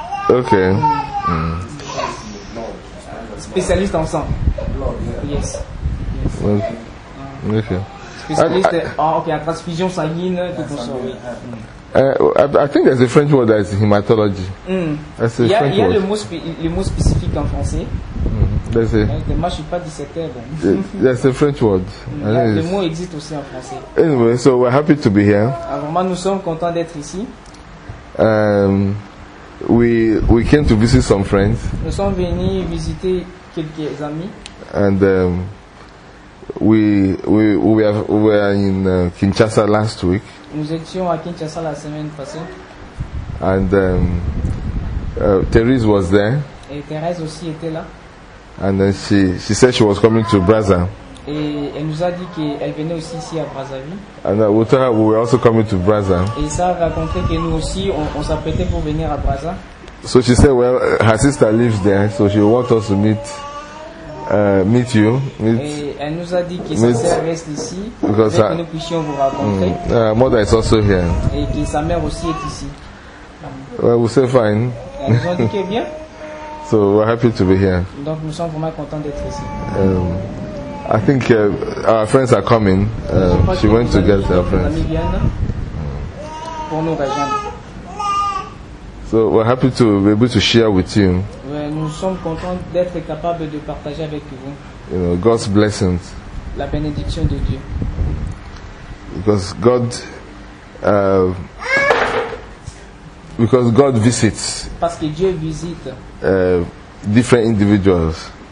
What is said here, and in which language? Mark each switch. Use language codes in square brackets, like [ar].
[en] Ok. [fr] Spécialiste en sang. [en] Yes. Ok. [fr] En transfusion sanguine, tout pour ça, oui. [en] I think there's a French word that is hematology. [fr] Il y a le mot spécifique en français. Moi, je ne suis pas dissecteur. [en] There's a French word. [fr] Le mot existe aussi en français. [en] Anyway, so we're happy to be here. [fr] Vraiment, nous sommes contents d'être ici. [en] We came to visit some friends. [fr] Nous sommes venus visiter quelques amis. [en] And we were in Kinshasa last week. [fr] Nous étions à Kinshasa la semaine passée. [en] And Therese was there. [fr] Et Therese aussi était là. [en] And then she said she was coming to Brazza. [fr] Et elle nous a dit qu'elle venait aussi ici à Brazzaville. [en] And we told her we were also coming to Brazza. [fr] Et ça a raconté que nous aussi on s'apprêtait pour venir à Brazza. [en] So she said, well, her sister lives there, so she wants us to meet. Meet you. Meet, [fr] et elle nous a dit que sa sœur reste ici pour que nous puissions vous raconter. [en] Her mother is also here. [fr] Et que sa mère aussi est ici. [en] Well, we say fine. [fr] Elle nous a dit que bien. [en] So we're happy to be here. [fr] Donc nous sommes vraiment contents d'être ici. [en] I think our friends are coming. She went to get her friends. [fr] Amis viennent pour nous rejoindre. [en] So we're happy to be able to share with you. [fr] Nous sommes contents d'être capables de partager avec vous. [en] You know, God's blessings. [fr] La bénédiction de Dieu. [en] Because God, visits. [fr] Parce que Dieu visite. [en] Different individuals.